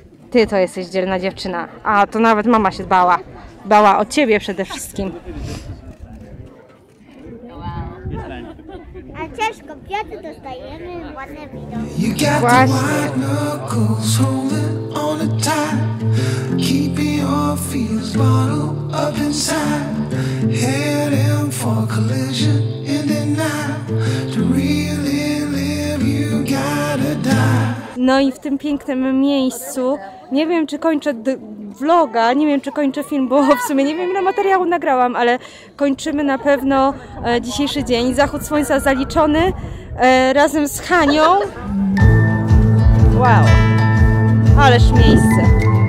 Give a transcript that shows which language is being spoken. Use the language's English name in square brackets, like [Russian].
[Polish] Ty to jesteś dzielna dziewczyna. A to nawet mama się bała. Bała o ciebie przede wszystkim. A ciebie? też kobiety dostajemy ładne widoki. [English] You got the white knuckles holding on a tie. Keeping your fears bottled up inside. Heading for collision in the night. To really live you gotta die. [Polish] No i w tym pięknym miejscu, nie wiem czy kończę vloga, nie wiem czy kończę film, bo w sumie nie wiem ile materiału nagrałam, ale kończymy na pewno dzisiejszy dzień. Zachód słońca zaliczony razem z Hanią. Wow, ależ miejsce.